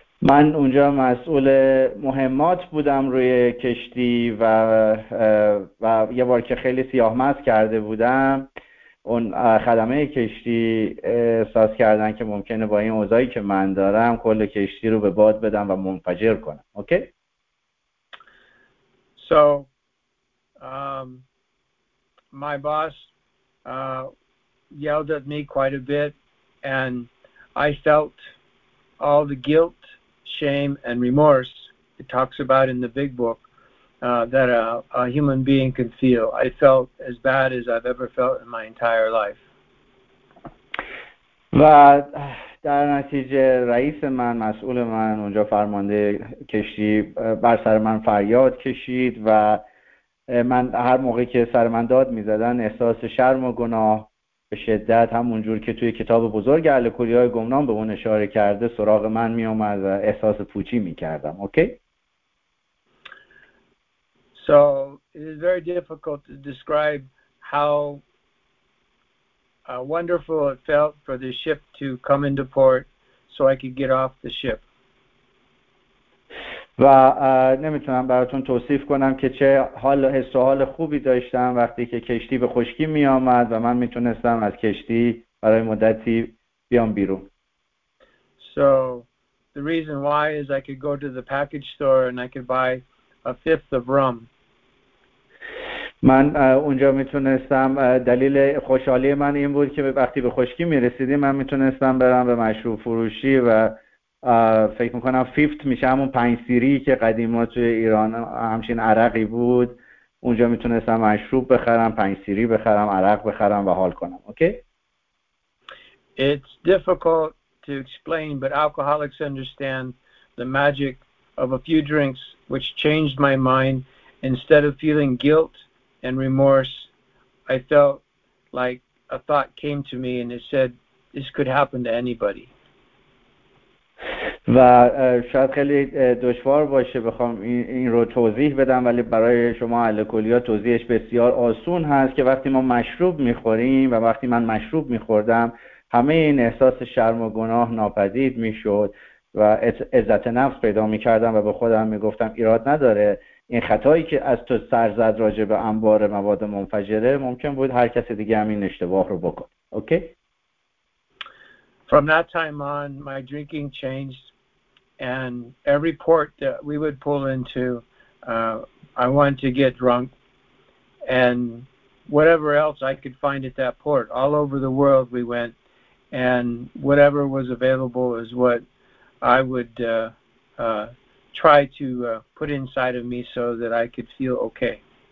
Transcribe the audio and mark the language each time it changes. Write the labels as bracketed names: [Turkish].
[Persian] من اونجا مسئول مهمات بودم روی کشتی و یه بار که خیلی سیاهمس کرده بودم، اون خدمه کشتی احساس کردن که ممکنه با این اوضاعی که من دارم کل کشتی رو به باد بدم و منفجر کنم. [English] Okay? So, my boss yelled at me quite a bit, and I felt all the guilt, shame, and remorse it talks about in the Big Book that a human being can feel. I felt as bad as I've ever felt in my entire life. [Persian] و در نتیجه رئیس من، مسئول من اونجا، فرمانده کشتی، بر سر من فریاد کشید و من هر موقع که سر من داد می زدن احساس شرم و گناه به شدت، همونجور که توی کتاب بزرگ الکلی های گمنام به اون اشاره کرده، سراغ من می اومد و احساس پوچی می کردم. [English] Okay? So it is very difficult to describe how wonderful it felt for the ship to come into port so I could get off the ship. [Persian] و نمیتونم براتون توصیف کنم که چه حال و حس و حال خوبی داشتم وقتی که کشتی به خشکی می آمد و من میتونستم از کشتی برای مدتی بیام بیرون. [English] So the reason why is I could go to the package store and I could buy a fifth of rum. [Persian] من اونجا میتونستم، دلیل خوشحالی من این بود که وقتی به خشکی میرسیدیم من میتونستم برم به مشروب فروشی و فکر میکنم فیفت میشه همون پنج سیری که قدیما توی ایران همچین عرقی بود، اونجا میتونستم مشروب بخرم، پنج سیری بخرم، عرق بخرم و حال کنم. [English] Okay? It's difficult to explain, but alcoholics understand the magic of a few drinks which changed my mind. Instead of feeling guilt and remorse, I felt like a thought came to me and it said, this could happen to anybody. [Persian] و شاید خیلی دشوار باشه بخوام این رو توضیح بدم، ولی برای شما الکلیا توضیحش بسیار آسون هست، که وقتی ما مشروب میخوریم و وقتی من مشروب میخوردم، همه این احساس شرم و گناه ناپدید میشد و عزت نفس پیدا میکردم و به خودم میگفتم ایراد نداره، این خطایی که از تو سر زد راجع به انبار مواد منفجره، ممکن بود هر کس دیگه هم این اشتباه رو بکنه. [English] Okay? From that time on, my drinking changed, and every port that we would pull into, I wanted to get drunk, and whatever else I could find at that port. All over the world we went, and whatever was available is what I would try to put inside of me so that I could feel okay.